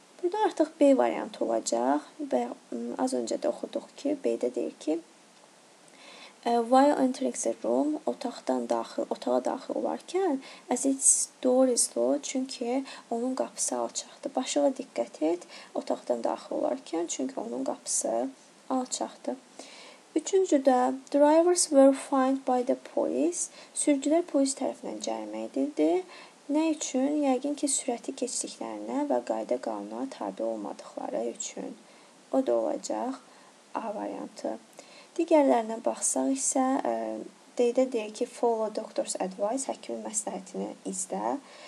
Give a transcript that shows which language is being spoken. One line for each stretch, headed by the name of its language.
Azerbaijani: Burada artıq B variantı olacaq və az öncə də oxuduq ki, B-də deyir ki,
English: while entering the room,
Azerbaijani: otağa daxil olarkən,
English: as its door is low,
Azerbaijani: çünki onun qapısı alçaqdır. Başına diqqət et, otaqdan daxil olarkən, çünki onun qapısı alçaqdır. Üçüncüdə,
English: drivers were fined by the police.
Azerbaijani: Sürücülər polis tərəfindən cərimə edildi. Nə üçün? Yəqin ki, sürəti keçdiklərinə və qayda qanuna tabi olmadıqları üçün. O da olacaq A variantı. Digərlərinə baxsaq isə, deyə deyir ki,
English: follow doctor's advice,
Azerbaijani: həkimin məsləhətini izlə.